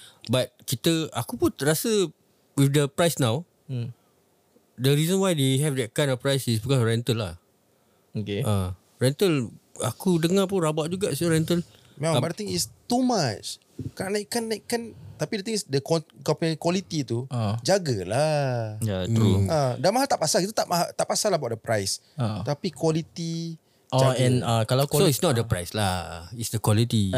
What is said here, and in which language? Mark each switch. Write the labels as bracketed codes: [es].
[en] But [ms] kita, aku pun terasa [en] with the price now, the reason why they have that kind of price is because rental lah. Okay. [ms] Rental, aku dengar pun rabak juga sih rental. Memang, [en] but the thing is too much. [ms] Kan naikkan. Tapi [en] the thing is, [ms] kau punya quality tu, jagalah. [en] Ya, true. [ms] Dah mahal tak pasal. Kita tak pasal lah [en] about the price. [ms] Tapi quality, kalau quality, [en] so it's not the price lah, it's the quality.